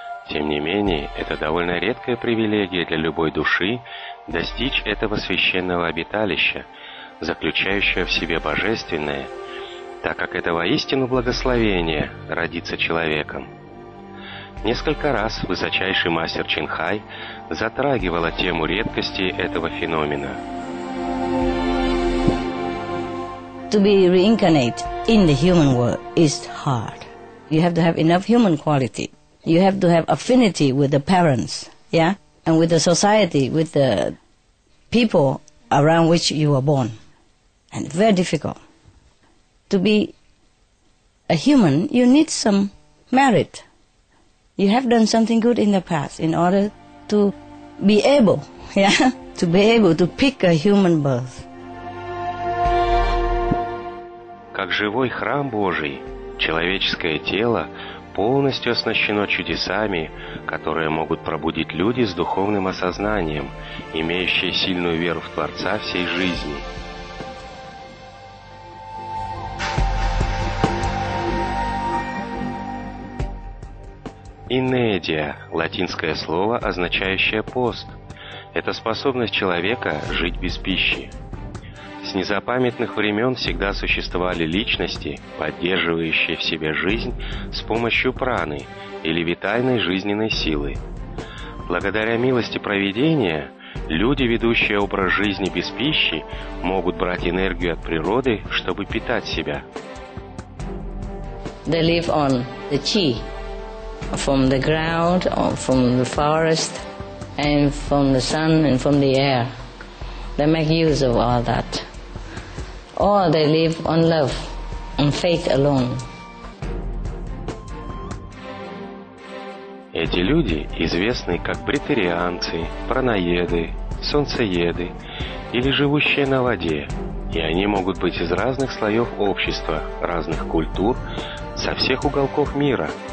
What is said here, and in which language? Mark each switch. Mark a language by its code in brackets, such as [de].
[ru] Тем не менее, это довольно редкая привилегия для любой души достичь этого священного обиталища, заключающего в себе божественное, так как это воистину благословение родиться человеком. Несколько раз высочайший мастер Чинхай затрагивал тему редкости этого феномена. [en] To be reincarnate in the human world is hard. You have to have enough human quality. You have to have affinity with the parents, yeah, and with the society, with the people around which you were born. And very difficult. To be a human, you need some merit. You have done something good in the past in order to be able, yeah, to be able to pick a human birth. [ru] Как живой храм Божий, человеческое тело полностью оснащено чудесами, которые могут пробудить люди с духовным осознанием, имеющие сильную веру в Творца всей жизни. Инедия – латинское слово, означающее пост. Это способность человека жить без пищи. С незапамятных времен всегда существовали личности, поддерживающие в себе жизнь с помощью праны или витальной жизненной силы. Благодаря милости провидения, люди, ведущие образ жизни без пищи, могут брать энергию от природы, чтобы питать себя. [en] They live on the chi, from the ground, from the forest, and from the sun, and from the air. They make use of all that. Or they live on love, on faith alone. [ru] Эти люди известны как бритерианцы, праноеды, солнцееды или живущие на воде, и они могут быть из разных слоев общества, разных культур, со всех уголков мира.